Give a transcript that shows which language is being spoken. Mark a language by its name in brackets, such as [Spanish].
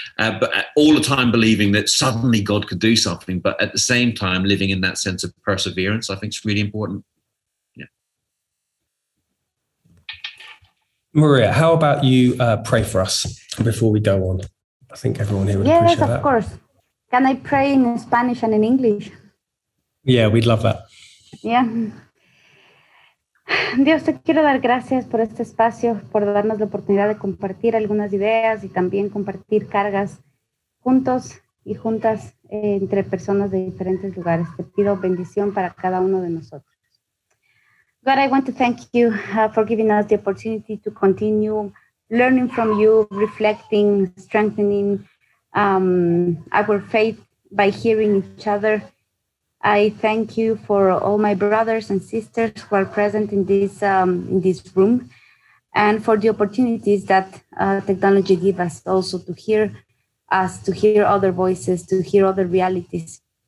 [English] But all the time believing that suddenly God could do something, but at the same time living in that sense of perseverance, I think it's really important. Yeah. Maria, how about you pray for us before we go on? I think everyone here would appreciate that. Yes, of course. Can I pray in Spanish and in English? Yeah, we'd love that. Yeah. [Spanish] Dios, te quiero dar gracias por este espacio, por darnos la oportunidad de compartir algunas ideas y también compartir cargas juntos y juntas entre personas de diferentes lugares. Te pido bendición para cada uno de nosotros. [English] God, I want to thank you for giving us the opportunity to continue learning from you, reflecting, strengthening our faith by hearing each other. I thank you for all my brothers and sisters who are present in this room, and for the opportunities that technology gives us also to hear us, to hear other voices, to hear other realities.